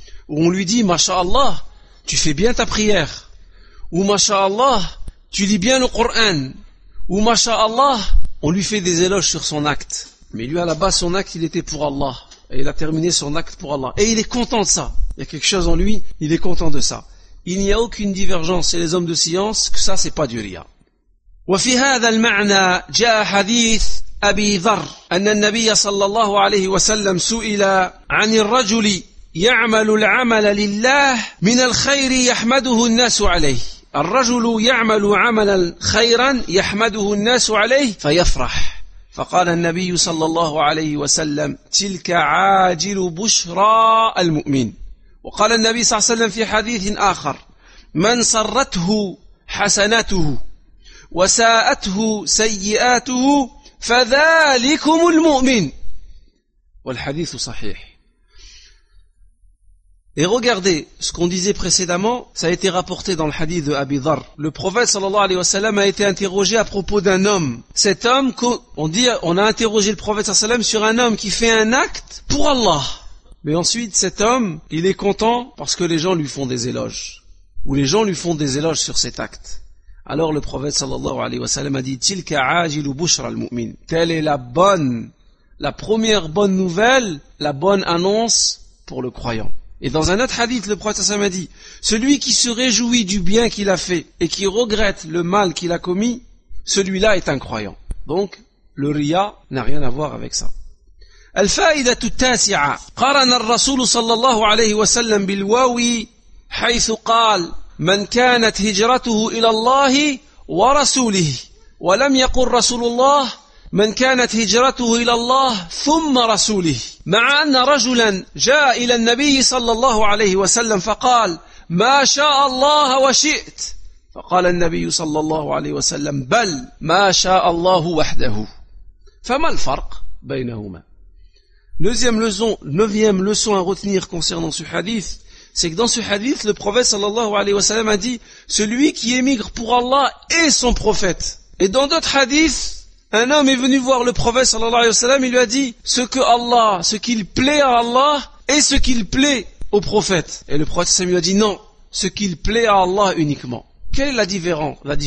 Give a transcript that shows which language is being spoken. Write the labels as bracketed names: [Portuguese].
[French] Ou on lui dit, Masha'Allah, tu fais bien ta prière. Ou Masha'Allah, tu lis bien le Coran. Ou masha'Allah, on lui fait des éloges sur son acte. Mais lui, à la base, son acte, il était pour Allah. Et il a terminé son acte pour Allah. Et il est content de ça. Il y a quelque chose en lui, il est content de ça. Il n'y a aucune divergence chez les hommes de science que ça, c'est pas du ria. [Arabic] وفي هذا المعنى جاء حديث أبي ذر أن النبي صلى الله عليه وسلم سئل عن الرجل يعمل العمل لله من الخير يحمده الناس عليه. الرجل يعمل عملا خيرا يحمده الناس عليه فيفرح. فقال النبي صلى الله عليه وسلم تلك عاجل بشرى المؤمن. وقال النبي صلى الله عليه وسلم في حديث آخر من سرته حسناته وساءته سيئاته فذلكم المؤمن. والحديث صحيح. [French] Et regardez ce qu'on disait précédemment, ça a été rapporté dans le hadith de Abi Dharr. Le prophète sallallahu alayhi wa sallam a été interrogé à propos d'un homme. Cet homme, on a interrogé le prophète sallallahu alayhi wa sallam sur un homme qui fait un acte pour Allah. Mais ensuite cet homme, il est content parce que les gens lui font des éloges. Ou les gens lui font des éloges sur cet acte. Alors le prophète sallallahu alayhi wa sallam a dit « [Arabic] Tilka ajilu bushra al-mu'min [French] » Telle est la première bonne nouvelle, la bonne annonce pour le croyant. Et dans un autre hadith, le prophète sallallahu alayhi wa sallam a dit « Celui qui se réjouit du bien qu'il a fait et qui regrette le mal qu'il a commis, celui-là est un croyant. » Donc, le riya n'a rien à voir avec ça. [Arabic] « Al-fa'idatu tasi'a »« Qarana al-rasulu sallallahu alayhi wa sallam bil-wawi »« Haythu qal » من كانت هجرته إلى الله ورسوله ولم يقل رسول الله من كانت هجرته إلى الله ثم رسوله مع أن رجلا جاء إلى النبي صلى الله عليه وسلم فقال ما شاء الله وشئت فقال النبي صلى الله عليه وسلم بل ما شاء الله وحده فما الفرق بينهما. [French] Neuvième leçon à retenir concernant ce hadith, c'est que dans ce hadith, le prophète sallallahu alayhi wa sallam a dit « Celui qui émigre pour Allah est son prophète. » Et dans d'autres hadiths, un homme est venu voir le prophète sallallahu alayhi wa sallam, il lui a dit « Ce que Allah, ce qu'il plaît à Allah est ce qu'il plaît au prophète. » Et le prophète sallallahu alayhi wa sallam lui a dit « Non, ce qu'il plaît à Allah uniquement. » Quelle est la différence?